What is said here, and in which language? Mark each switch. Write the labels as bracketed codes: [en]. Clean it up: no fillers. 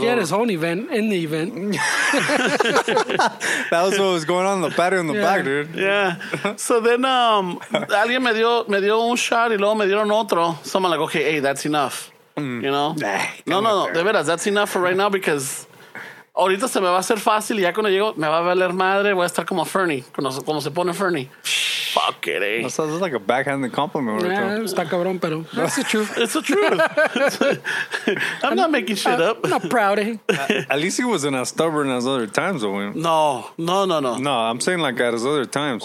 [en] He had his own event in the event. That was what was going on in the patio in the back, dude. Yeah. So then, [es] alguien me dio un shot y luego me dieron otro. [en] So I'm like, okay, hey, that's enough. You know? No. [es] De veras, [en] that's enough for right now because. [es] Ahorita se me va a hacer fácil y ya cuando llego me va a valer madre, voy a estar como Fernie, como se pone Fernie. [en] Fuck it, eh. That sounds like a backhanded compliment. Yeah, [es] está cabrón, pero [en] that's the truth. It's the truth. I'm not making shit up. I'm not proud of him. At least he wasn't as stubborn as other times, though. No. No, I'm saying like at his other times.